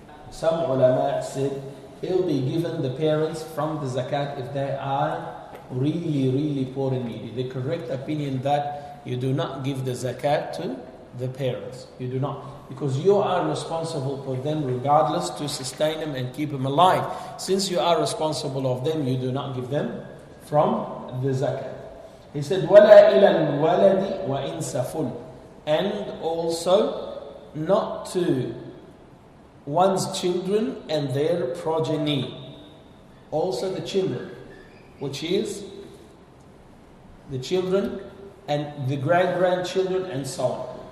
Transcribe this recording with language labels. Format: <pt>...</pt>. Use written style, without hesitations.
<en>Some ulama said, he'll be given the parents from the zakat if they are really, really poor and needy. The correct opinion that you do not give the zakat to the parents. You do not. Because you are responsible for them regardless to sustain them and keep them alive. Since you are responsible of them, you do not give them from the zakat. He said,</en> <ar>وَلَا إِلَى الْوَلَدِ وَإِنْ سَفُلْ.</ar> <en>And also, not to one's children and their progeny. Also the children, which is the children and the grand-grandchildren and so on.</en>